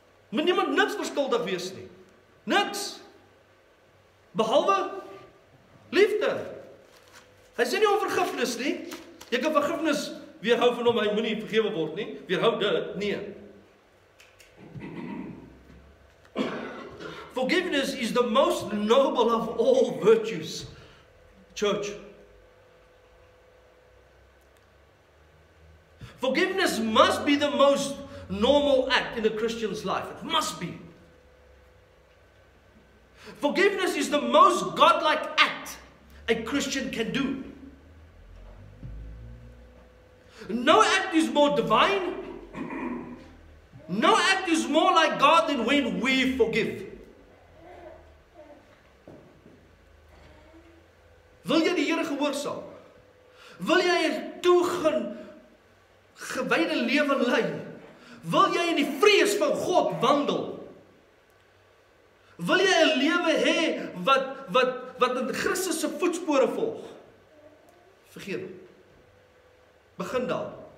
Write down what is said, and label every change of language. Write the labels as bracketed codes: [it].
[af] Moet niemand niks verskuldig wees nie. Niks. Behalwe liefde. Hy sê nie om vergifnis nie. Jy kan vergifnis weerhou van hom, hy moet nie vergewe word nie. Weerhou dit, nee. [en] Forgiveness is the most noble of all virtues. Church. Forgiveness must be the most normal act in a Christian's life. It must be. Forgiveness is the most godlike act a Christian can do. No act is more divine. No act is more like God than when we forgive. [af] Wil jy die Here gehoorsaam? Wil jy 'n toegewyde lewe lei? Wil jy in die vrees van God wandel? Wil jy 'n lewe hê wat in Christus se voetspore volg? Vergeef. Begin daar.